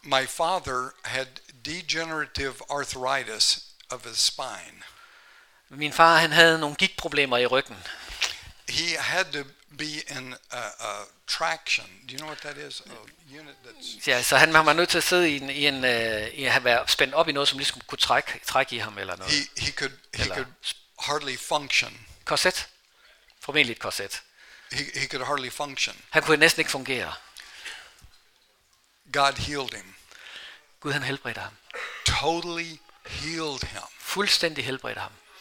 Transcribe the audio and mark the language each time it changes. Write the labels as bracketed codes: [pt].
[en] My father had degenerative arthritis of his spine. [da] Min far, han havde nogle gigtproblemer i ryggen. [en] He had to be in a traction. Do you know what that is? A unit that's. [da] Ja, så han var nødt til at sidde i en at være spændt op i noget, som ligesom kunne trække i ham eller noget. [en] He could hardly function. [da] Korset. Formentlig et korset. [en] He could hardly function. [da] Han kunne næsten ikke fungere. [en] God healed him. [da] Gud han helbredte ham. [en] Totally healed him. [da] Fuldstændig helbredte ham.